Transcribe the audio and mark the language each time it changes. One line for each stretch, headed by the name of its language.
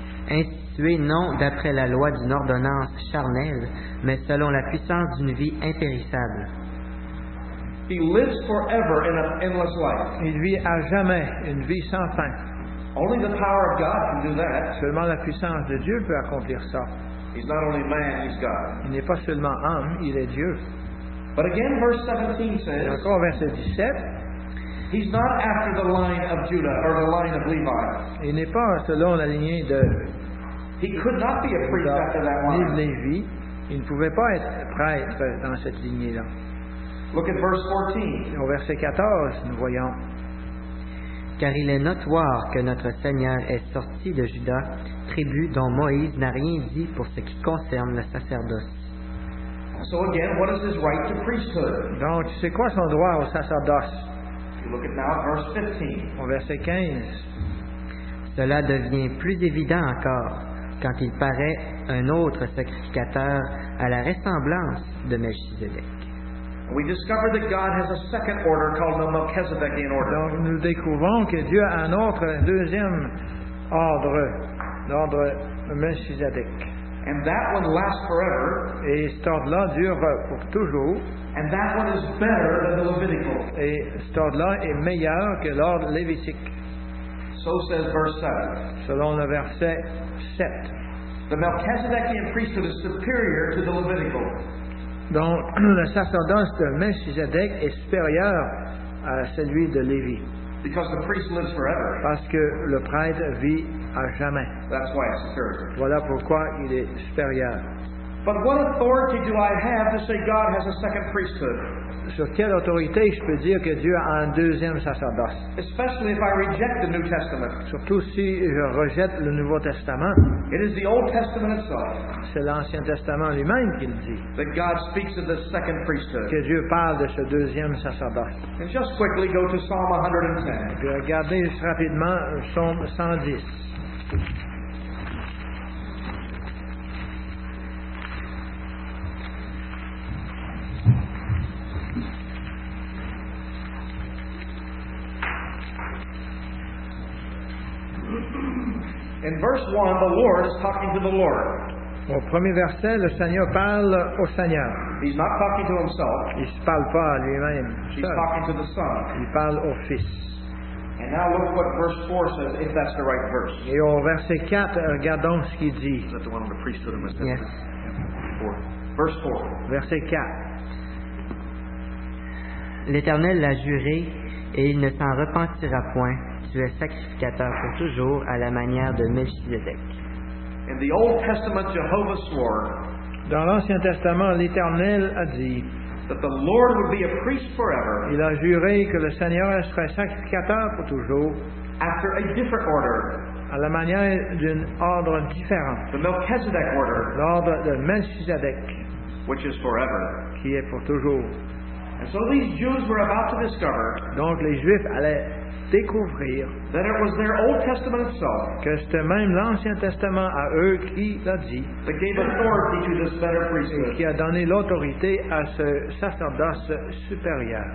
French: institué non d'après la loi d'une ordonnance charnelle, mais selon la puissance d'une vie impérissable.
English: He lives forever in an endless life.
French: Il vit à jamais une vie sans fin.
English: Only the power of God can do that.
French: Seulement la puissance de Dieu peut accomplir ça.
English: He's not only man, he's God.
French: Il n'est pas seulement homme, il est Dieu.
English: But again, verse 17 says.
French: Encore verset 17.
English: He's not after the line of Judah or the line of Levi.
French: Il n'est pas selon la lignée de.
English: He could not be a priest after that line.
French: Ni de Lévi. Il ne pouvait pas être prêtre dans cette lignée-là.
English: Look at verse 14.
French: Au verset 14, nous voyons. Car il est notoire que notre Seigneur est sorti de Juda, tribu dont Moïse n'a rien dit pour ce qui concerne le sacerdoce.
English: So again, what is his right to priesthood?
French: Donc, c'est quoi son droit au sacerdoce?
English: Look at now verse 15.
French: Au verset 15. Cela devient plus évident encore quand il paraît un autre sacrificateur à la ressemblance de Melchizedek.
English: We discover that God has a second order called the Melchizedekian order.
French: Donc, nous découvrons que Dieu a un autre, un deuxième ordre, l'ordre Melchizedek.
English: And that one lasts forever.
French: Et cet ordre-là dure pour toujours.
English: And that one is better than the Levitical.
French: Et cet ordre-là est meilleur que l'ordre lévitique.
English: So says verse 7.
French: Selon le verset 7.
English: The Melchizedekian priesthood is superior to the Levitical.
French: Donc, le sacerdoce de Melchizedek est supérieur à celui de Lévi.
English: Because the priest lives forever.
French: Parce que le prêtre vit à jamais.
English: That's why it's superior.
French: Voilà pourquoi il est supérieur.
English: But what authority do I have to say God has a second priesthood?
French: Sur quelle autorité je peux dire que Dieu a un deuxième sacerdoce?
English: Especially if I reject the New Testament.
French: Surtout si je rejette le Nouveau Testament.
English: It is the Old Testament itself.
French: C'est l'Ancien Testament lui-même qui le dit.
English: That God speaks of the second priesthood.
French: Que Dieu parle de ce deuxième sacerdoce.
English: And just quickly go to Psalm 110.
French: Puis regardez juste rapidement le psaume 110.
English: In verse 1, the Lord is talking to the Lord.
French: Au premier verset, le Seigneur parle au Seigneur.
English: He's not talking to himself.
French: Il ne parle pas à lui-même.
English: He's talking to the Son.
French: Il parle au Fils.
English: And now look what verse 4 says, if that's the right verse.
French: Et au verset 4, regardons ce qu'il dit.
English: Is that the one on the priesthood of Melchizedek? Yes. Verse 4.
French: Verset 4. L'Éternel l'a juré, et il ne s'en repentira point. Tu es sacrificateur pour toujours à la manière de Melchizedek.
English: In the Old Testament, Jehovah swore.
French: Dans l'Ancien Testament, l'Éternel a dit.
English: That the Lord would be a priest forever.
French: Il a juré que le Seigneur serait sacrificateur pour toujours.
English: After a different order.
French: À la manière d'un ordre différent.
English: The Melchizedek order.
French: L'ordre de Melchizedek.
English: Which is forever.
French: Qui est pour toujours.
English: And so these Jews were about to discover.
French: Donc les Juifs allaient découvrir
English: that it was their Old Testament itself
French: que c'était même l'Ancien Testament à eux qui l'a dit
English: that gave authority to this better priesthood.
French: Et qui a donné l'autorité à ce sacerdoce supérieur.